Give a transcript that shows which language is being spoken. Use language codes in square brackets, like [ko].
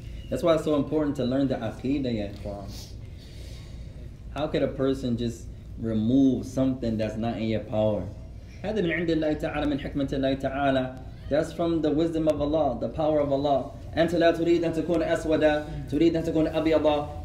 [en] That's why it's so important to learn the aqidah, ya ikhwan. How could a person just remove something that's not in your power? [ar] هذا من عند الله تعالى من حكمة الله تعالى. [en] That's from the wisdom of Allah, the power of Allah. [ar] أنت لا تريد أن تكون أسودا, تريد أن تكون أبيضا.